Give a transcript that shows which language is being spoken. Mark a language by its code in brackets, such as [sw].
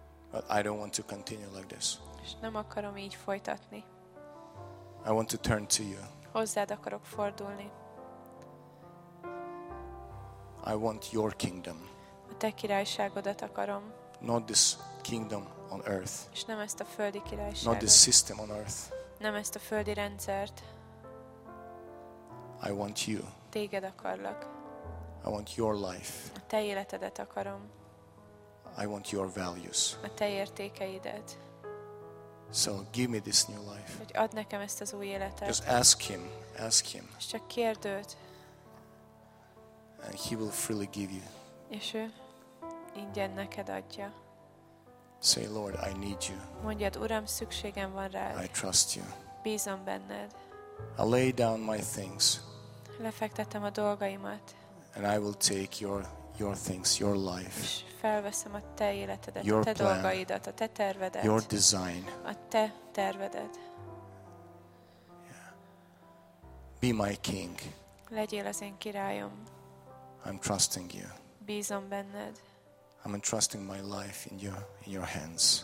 [en] But I don't want to continue like this. [hu] És nem akarom így folytatni. [en] I want to turn to you. [hu] Hozzád akarok fordulni. [en] I want your kingdom. [hu] A te királyságodat akarom. [en] Not this kingdom on earth. [hu] És nem ezt a földi királyságot. [en] Not this system on earth. [hu] Nem ezt a földi rendszert. [en] I want you. [hu] Téged akarlak. [en] I want your life. [hu] A te életedet akarom. [en] I want your values. [hu] A te értékeidet. [en] So give me this new life. [hu] Hogy add nekem ezt az új életet. [en] Just ask him. [hu] És csak kérd őt. [en] And he will freely give you. [hu] És ő ingyen neked adja. [en] Say, Lord, I need you. [hu] Mondjad, Uram, szükségem van rád. [en] I trust you. [hu] Bízom benned. [en] I lay down my things. [hu] Lefektetem a dolgaimat. [en] And I will take your things, your life. [hu] És felveszem a te életedet, a te [en] plan, [hu] dolgaidat, a te tervedet. [en] Your design. [hu] A te tervedet. [en] Yeah. Be my king. [hu] Legyél az én királyom. [en] I'm trusting you. [hu] Bízom benned. [en] I'm entrusting my life in your hands.